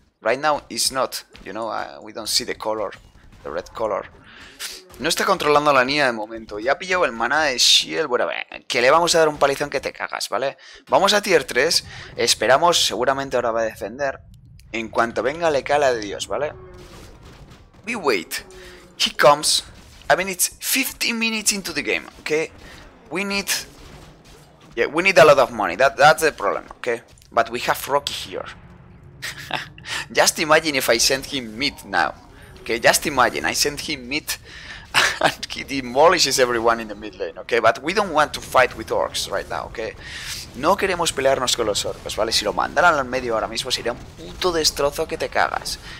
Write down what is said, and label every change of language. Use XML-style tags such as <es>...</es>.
<en>Right now, he's not. You know, we don't see the color. The red color.</en> <es>No está controlando la línea de momento. Ya ha pillado el mana de shield. Bueno, que le vamos a dar un palizón que te cagas, ¿vale? Vamos a tier 3. Esperamos, seguramente ahora va a defender. En cuanto venga, le cala de Dios, ¿vale?</es> <en>We wait. He comes. I mean, it's 15 minutes into the game, ¿ok? We need... Yeah, we need a lot of money. That's the problem, ¿ok? But we have Rocky here. Just imagine if I send him mid now. Ok, just imagine. I send him mid and he demolishes everyone in the mid lane, ok? But we don't want to fight with orcs right now, ok?</en> <es>No queremos pelearnos con los orcos, ¿vale? Si lo mandaran al medio ahora mismo sería un puto destrozo que te cagas.</es>